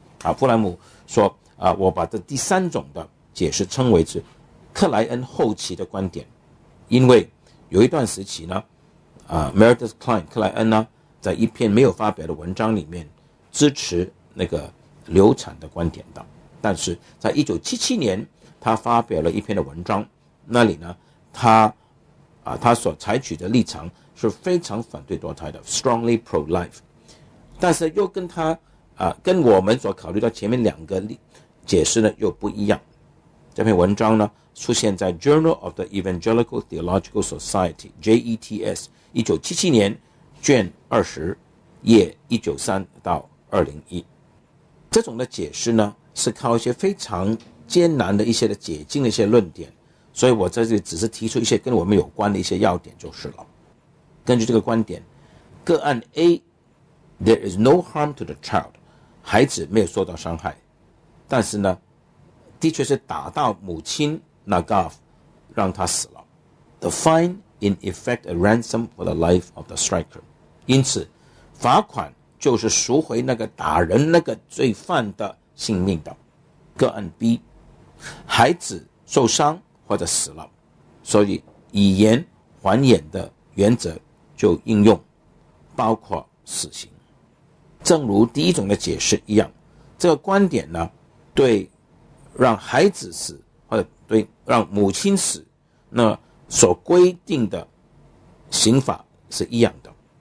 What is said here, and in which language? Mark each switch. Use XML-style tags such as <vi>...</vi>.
<zh>啊，弗兰姆说，啊，我把这第三种的解释称为是克莱恩后期的观点，因为有一段时期呢，啊 ，Meredith Klein 克莱恩呢，在一篇没有发表的文章里面支持那个流产的观点的，但是在1977年，他发表了一篇的文章，那里呢，他啊，他所采取的立场是非常反对堕胎的 ，</zh> <en>strongly pro-life，</en> <zh>但是又跟他啊，跟我们所考虑到前面两个解释呢又不一样。这篇文章呢出现在 Journal of the Evangelical Theological Society (JETS) 1977年卷20页193-201。这种的解释呢是靠一些非常艰难的一些的解经的一些论点，所以我在这里只是提出一些跟我们有关的一些要点就是了。根据这个观点，个案 A，</zh> <en>There is no harm to the child，</en> <zh>孩子没有受到伤害，但是呢的确是打到母亲 Nagaf， 让他死了。</zh> <en>The fine in effect a ransom for the life of the striker，</en> <zh>因此罚款就是赎回那个打人那个罪犯的性命的。个案 B， 孩子受伤或者死了，所以以言还眼的原则就应用，包括死刑。正如第一种的解释一样，这个观点呢对让孩子死或者对让母亲死那所规定的刑法是一样的。</zh>